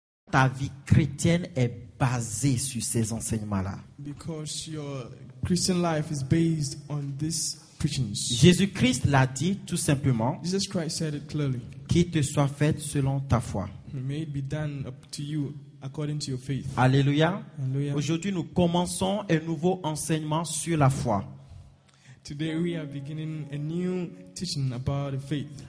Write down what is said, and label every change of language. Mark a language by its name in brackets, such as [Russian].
[French] ta vie chrétienne est basée sur ces enseignements-là. [English] Because your Christian life is based on this preachings. [French] Jésus-Christ l'a dit tout simplement. [English] Jesus Christ said it clearly. [French] Qu'il te soit fait selon ta foi. [English] May it be done up to you according to your faith. Alléluia. Alléluia. [French] Aujourd'hui, nous commençons un nouveau enseignement sur la foi. [English] Today we are beginning a new teaching about the faith.